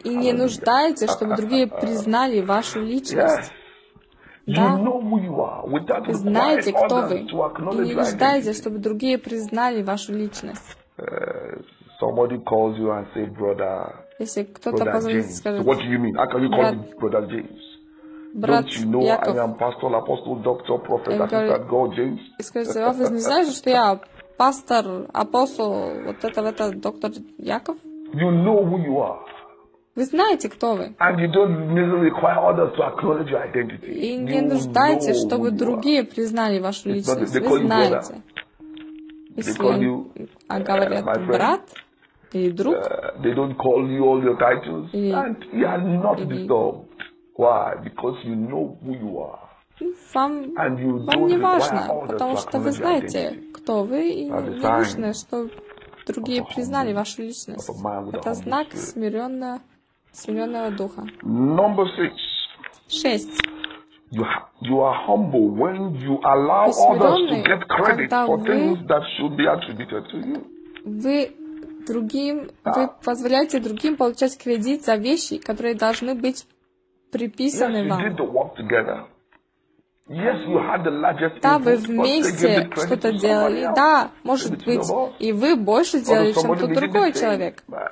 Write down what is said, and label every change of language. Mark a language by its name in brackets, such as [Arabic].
[Russian] И не нуждается, чтобы другие признали вашу личность. [English] Да. You know who you are, without [Russian] вы знаете, кто вы. И не нуждаетесь, чтобы другие признали вашу личность. [English] Somebody calls you and say, brother. [Russian] Если кто-то позвонит, скажет. [English] So what do you mean? How can you call me brother James? [Russian] Брат [English] Яков. Don't you know [Russian] Яков. [English] I am pastor, apostle, doctor, prophet, that God James? [Russian] И скажите, а вы не знаете, что я пастор, апостол, вот это доктор Яков? [English] You know who you are. [Russian] Вы знаете, кто вы. [English] And you don't necessarily require others to acknowledge your identity. [Russian] И не нуждаетесь, чтобы другие признали вашу личность. Вы знаете. Если говорят брат или друг. [English] They don't call you all your titles. And you are not disturbed. Why? Because you know who you are. And you don't require others to acknowledge your identity. [Russian] Чтобы другие признали вашу личность. Это знак смиренного духа. [English] Number six. [Russian] Шесть. [English] You are humble when you allow others to get credit for things that should be attributed to you. [Russian] Вы позволяете другим получать кредит за вещи, которые должны быть приписаны вам. [English] Yes, you did the work together. Yes, you had the largest. [Russian] Да, вы вместе что-то делали. Да, может быть, и вы больше делали, чем тот другой человек.